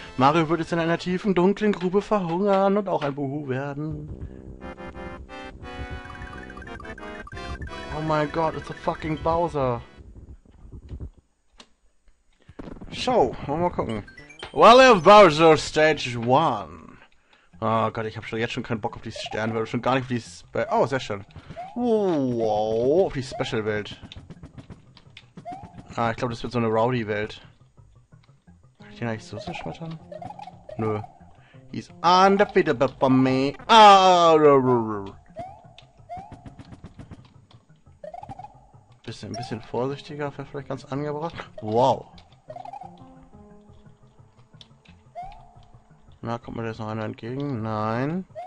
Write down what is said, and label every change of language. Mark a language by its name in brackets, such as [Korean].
[German] Mario wird jetzt in einer tiefen, dunklen Grube verhungern und auch ein Boohoo werden. [English] Oh my god, it's a fucking Bowser. [German] So, wollen wir gucken. [English] Well, of Bowser Stage 1. [German] Oh Gott, ich hab schon jetzt schon keinen Bock auf die Sternwelt. Schon gar nicht auf die oh, sehr schön. Wow, auf die Special-Welt. Ah, ich glaube, das wird so eine Rowdy-Welt. Kann ich den eigentlich so zerschmettern? Nö. [English] He's undefeatable for me. [German] Ah, ein bisschen vorsichtiger wäre vielleicht ganz angebracht. Wow. Na, kommt mir jetzt noch einer entgegen? Nein.